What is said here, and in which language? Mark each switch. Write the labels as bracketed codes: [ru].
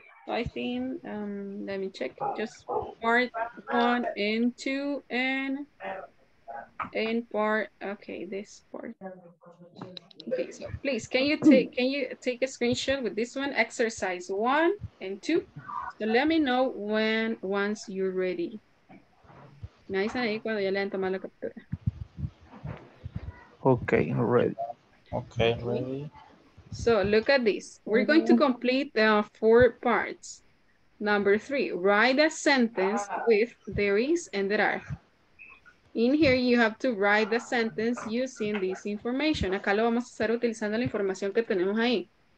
[en] I think, let me check, just part one and two and part, okay, this part. Okay, so please, can you take a screenshot with this one, exercise one and two? So let me know when, once you're ready. [es] Me avisan ahí cuando ya le han tomado la captura. [en] Okay, ready. Okay, ready? So look at this. We're going to complete the four parts. Number three, write a sentence with there is and there are. In here, you have to write the sentence using this information. [es] Acá lo vamos a hacer utilizando la información que tenemos ahí.